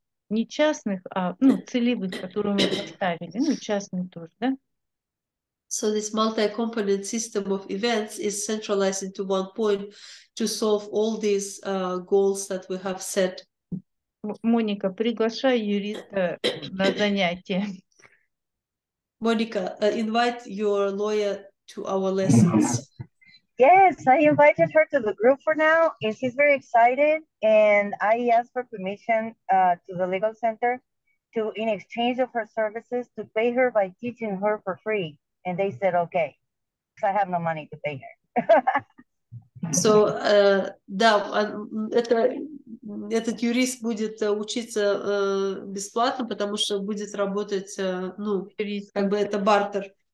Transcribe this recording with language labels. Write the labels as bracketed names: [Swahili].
[Russian] не частных, а целевых, которые мы поставили. Ну, частные тоже, да? [English] So this multi-component system of events is centralized into one point to solve all these goals that we have set. [Russian] Моника, приглашай юриста на занятие. [English] Моника, invite your lawyer to our lessons. Yes, I invited her to the group for now, and she's very excited. And I asked for permission to the legal center to, in exchange of her services, to pay her by teaching her for free. And they said, okay, because I have no money to pay her. [Russian] So, этот юрист будет учиться бесплатно, потому что будет работать, как бы это бартер.